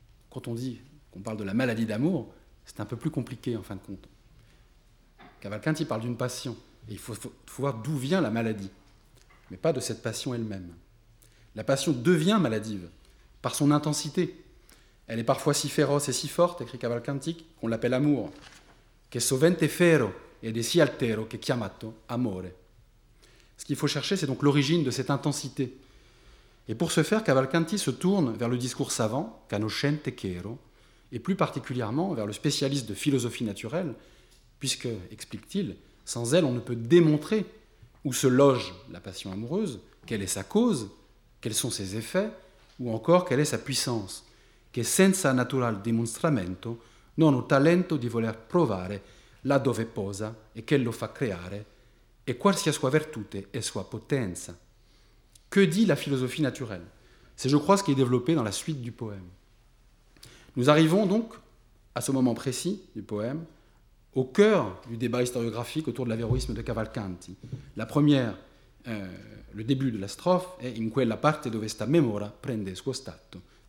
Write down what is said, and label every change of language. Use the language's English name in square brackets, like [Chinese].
[French] Quand on dit qu'on parle de la maladie d'amour, c'est un peu plus compliqué en fin de compte. Cavalcanti parle d'une passion, et il faut voir d'où vient la maladie, mais pas de cette passion elle-même. La passion devient maladive par son intensité. Elle est parfois si féroce et si forte, écrit Cavalcanti, qu'on l'appelle amour. [Italian] Che sovente fero ed è si altero che chiamato amore. [French] Ce qu'il faut chercher, c'est donc l'origine de cette intensité. Et pour ce faire, Cavalcanti se tourne vers le discours savant, [Italian] Canoscente chero, [French] et plus particulièrement vers le spécialiste de philosophie naturelle, puisque, explique-t-il, sans elle, on ne peut démontrer où se loge la passion amoureuse, quelle est sa cause, quels sont ses effets, ou encore quelle est sa puissance. [Italian] Che senza natural dimostramento non ho talento di voler provare là dove posa e che lo fa creare, e qualsiasi sua vertute e sua potenza. [French] Que dit la philosophie naturelle? C'est, je crois, ce qui est développé dans la suite du poème. Nous arrivons donc, à ce moment précis du poème, au cœur du débat historiographique autour de l'avéroïsme de Cavalcanti. La première, le début de la strophe, est [Italian] « In quella parte dove sta memora prende suo stato ».